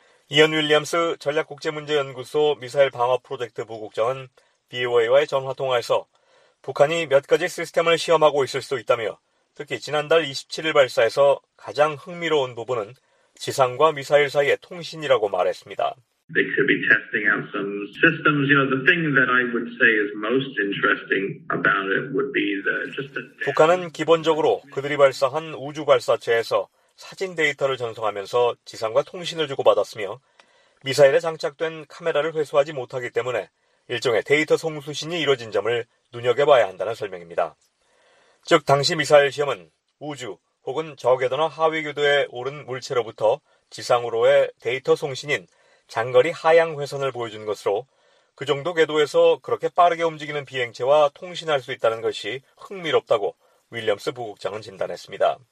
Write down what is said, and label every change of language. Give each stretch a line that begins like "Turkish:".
Korean: 이언 윌리엄스 전략국제문제연구소 미사일 방어 프로젝트 부국장은 BOA와의 전화통화에서 북한이 몇 가지 시스템을 시험하고 있을 수도 있다며 특히 지난달 27일 발사에서 가장 흥미로운 부분은 지상과 미사일 사이의 통신이라고 말했습니다.
English: They could be testing out some systems. You know, the thing that I would say is most interesting about it would be the just the
Korean: 북한은 기본적으로 그들이 발사한 우주 발사체에서 사진 데이터를 전송하면서 지상과 통신을 주고받았으며 미사일에 장착된 카메라를 회수하지 못하기 때문에 일종의 데이터 송수신이 이루어진 점을 눈여겨봐야 한다는 설명입니다. 즉 당시 미사일 시험은 우주 혹은 저궤도나 하위 궤도에 오른 물체로부터 지상으로의 데이터 송신인 장거리 하향 회선을 보여준 것으로 그 정도 궤도에서 그렇게 빠르게 움직이는 비행체와 통신할 수 있다는 것이 흥미롭다고 윌리엄스 부국장은 진단했습니다.